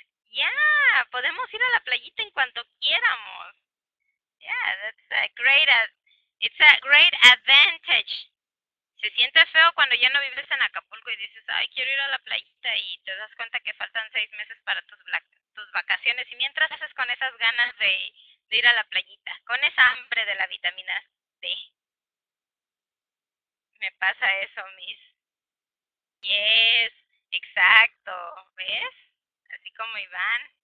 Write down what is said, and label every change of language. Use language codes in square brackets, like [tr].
[es] Ya, podemos ir a la playita en cuanto quieramos. [en] Yeah, that's a great, it's a great advantage. [es] Se siente feo cuando ya no vives en Acapulco y dices, ay, quiero ir a la playita, y te das cuenta que faltan 6 meses para tus vacaciones. Y mientras haces con esas ganas de ir a la playita, con esa hambre de la vitamina D. Me pasa eso, Miss. Yes, exacto. ¿Ves? Así como Iván.